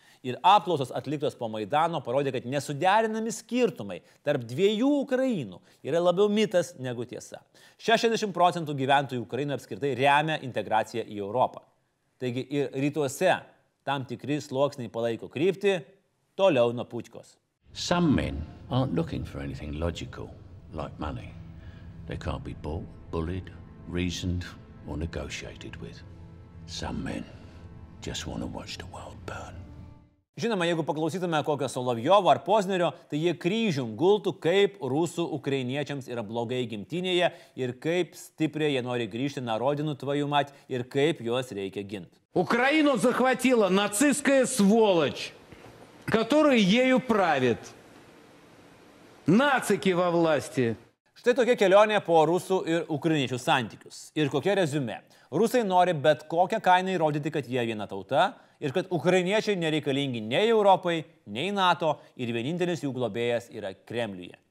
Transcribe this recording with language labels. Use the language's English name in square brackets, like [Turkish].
[Lithuanian] Ir apklausos atliktos po Maidano parodė, kad nesuderinami skirtumai tarp dviejų Ukrainų yra labiau mitas negu tiesa. 60% gyventojų Ukrainoje apskritai remia integraciją į Europą. Taigi ir rytuose tam tikri sluoksniai palaiko kryptį toliau nuo Putkos. [English] Some men aren't looking for anything logical, like money. They can't be bought, bullied, reasoned or negotiated with. Some men just want to watch the world burn. [Lithuanian] Žinoma, jeigu paklausytume kokio Solovjovo ar Poznerio, tai jie kryžium gultų, kaip rusų ukrainiečiams yra blogai gimtinėje ir kaip stipriai jie nori grįžti [Russian] na rodinų tvojų mat [Lithuanian] ir kaip juos reikia ginti. [Russian] Ukrainą захватила нацистская сволочь, которая ею правит. Нацики во власти. [Lithuanian] Štai tokia kelionė po rusų ir ukrainiečių santykius. Ir kokia rezume. Rusai nori bet kokią kainą įrodyti, kad jie viena tauta, ir kad ukrainiečiai nereikalingi nei Europai, nei NATO, ir vienintelis jų globėjas yra Kremliuje.